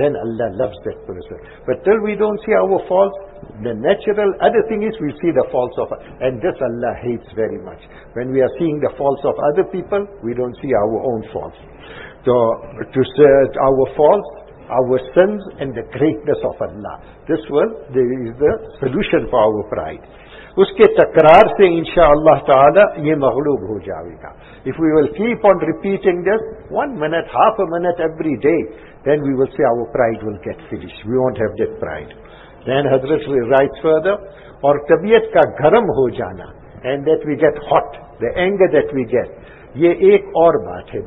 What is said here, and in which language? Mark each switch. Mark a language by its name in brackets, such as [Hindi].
[English] Then Allah loves that person. But till we don't see our faults, the natural other thing is we see the faults of us. And this Allah hates very much. When we are seeing the faults of other people, we don't see our own faults. So to search our faults, our sins and the greatness of Allah. This one is the solution for our pride. [Urdu] اس کے تکرار سے انشاءاللہ تعالی یہ مغلوب ہو جائے گا. [English] If we will keep on repeating this, 1 minute, half a minute every day, then we will see our pride will get finished. We won't have that pride. Then حضرت writes further, [Urdu] اور طبیعت کا گرم ہو جانا, [English] and that we get hot, the anger that we get, [Urdu] یہ ایک اور بات ہے.